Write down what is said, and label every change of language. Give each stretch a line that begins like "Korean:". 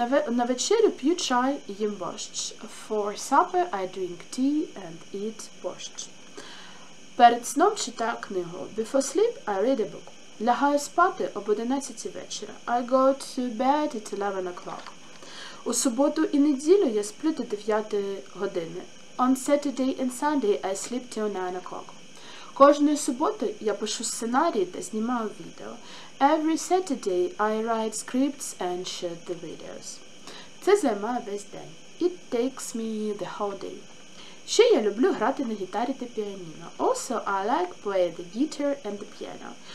Ukrainian: На вечерю п'ю чай і їм борщ.
English: For supper I drink tea and eat борщ.
Ukrainian: Перед сном читаю книгу.
English: Before sleep I read a book.
Ukrainian: Лягаю спати об 11 вечора.
English: I go to bed at 11 o'clock.
Ukrainian: У суботу і неділю я сплю до 9 години.
English: On Saturday and Sunday I sleep till 9 o'clock.
Ukrainian: Кожної суботи я пишу сценарії та знімаю відео.
English: Every Saturday I write scripts and shoot the videos.
Ukrainian: Це займає весь день.
English: It takes me the whole day.
Ukrainian: Ще я люблю грати на гітарі та піаніно.
English: Also I like play the guitar and the piano.